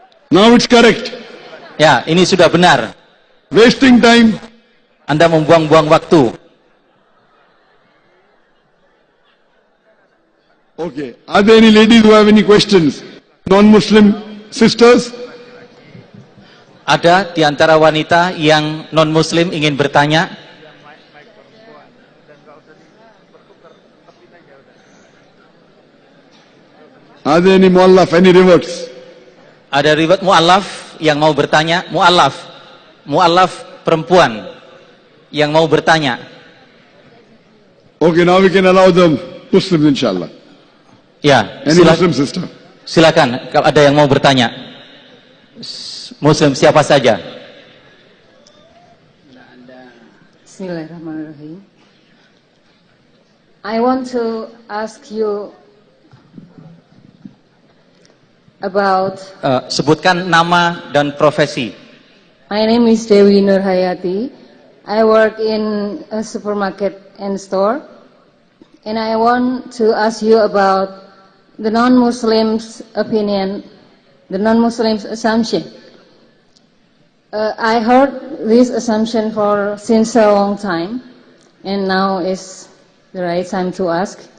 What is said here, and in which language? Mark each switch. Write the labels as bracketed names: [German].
[English] Now it's correct. [Indonesian] Ya, ini sudah benar. [English] Wasting time. [Indonesian] Anda membuang-buang waktu. [English] Okay. Are there any ladies who have any questions? Non-Muslim sisters? [Indonesian] Ada di antara wanita yang non-Muslim ingin bertanya? [English] Are there any mu'allaf, any reverts? [Indonesian] Ada reverts mu'allaf yang mau bertanya? Mu'allaf. Mu'allaf perempuan yang mau bertanya. [English] Okay, now we can allow them Muslims insyaAllah. [Indonesian] Ya, [English] any Muslim sister? [Indonesian] Silakan, kalau ada yang mau bertanya. Muslim siapa saja? [Arabic] Bismillahirrahmanirrahim. [English] I want to ask you about. [Indonesian] Sebutkan nama dan profesi. [English] My name is Dewi Nurhayati. I work in a supermarket and store. And I want to ask you about the non-Muslim's opinion, the non-Muslim's assumption. I heard this assumption for since a long time, and now is the right time to ask.